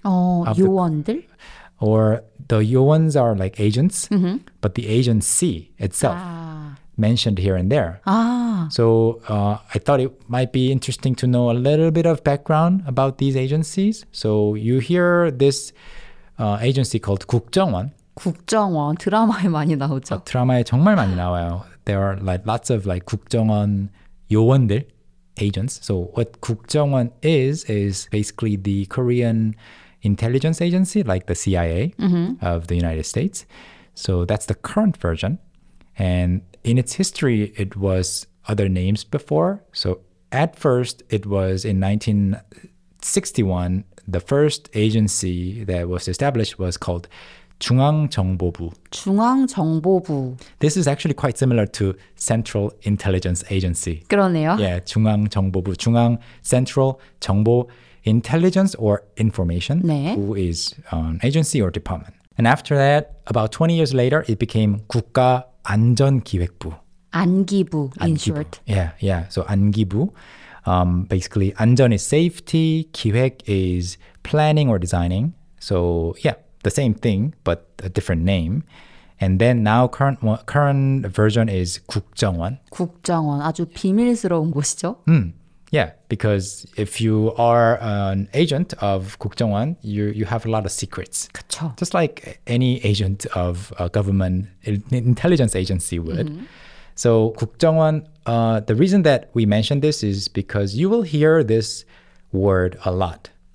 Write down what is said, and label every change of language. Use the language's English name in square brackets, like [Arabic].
[Korean] Oh, 요원들? [English] Or the 요원s are like agents, mm-hmm. but the agency itself. Mentioned here and there. So I thought it might be interesting to know a little bit of background about these agencies. So you hear this agency called 국정원. [Korean] 국정원 드라마에 많이 나오죠. 드라마에 정말 많이 나와요. [English] There are like lots of like 국정원 요원들, agents. So what 국정원 is basically the Korean intelligence agency, like the CIA mm-hmm. of the United States. So that's the current version. And in its history, it was other names before. So at first, it was in 1961, the first agency that was established was called 중앙정보부. [Korean] 중앙정보부. [English] This is actually quite similar to Central Intelligence Agency. [Korean] 그러네요. [English] Yeah, 중앙정보부. 중앙 Central 정보 Intelligence or Information. [Korean] 네. [English] Who is an agency or department. And after that, about 20 years later, it became 국가 안전기획부. 안기부, in short. Yeah, yeah. So 안기부. Basically, 안전 is safety, 기획 is planning or designing. So yeah, the same thing, but a different name. And then now current version is 국정원. [Korean] 국정원, 아주 비밀스러운 곳이죠. [English] Yeah, because if you are an agent of 국정원, you have a lot of secrets. [Korean] 그쵸. [English] Just like any agent of a government intelligence agency would. Mm-hmm. So 국정원, the reason that we mention this is because you will hear this word a lot.